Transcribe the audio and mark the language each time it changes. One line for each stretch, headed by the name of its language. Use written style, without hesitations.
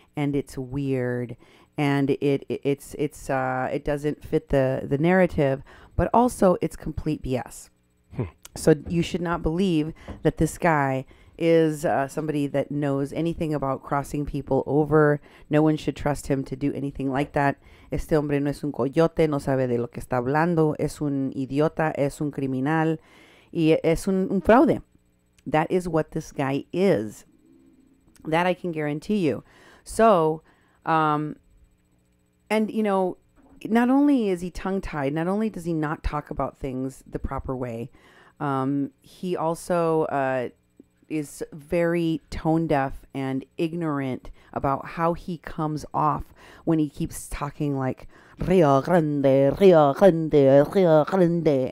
English: And it's weird. And it doesn't fit the narrative, but also it's complete BS. So you should not believe that this guy is somebody that knows anything about crossing people over. No one should trust him to do anything like that.
Spanish: Este hombre no es un coyote, no sabe de lo que está hablando, es un idiota, es un criminal, y es un fraude.
English: That is what this guy is. That I can guarantee you. So, and, you know, not only is he tongue-tied, not only does he not talk about things the proper way, he also is very tone-deaf and ignorant about how he comes off when he keeps talking like, Rio Grande, Rio Grande, Rio Grande.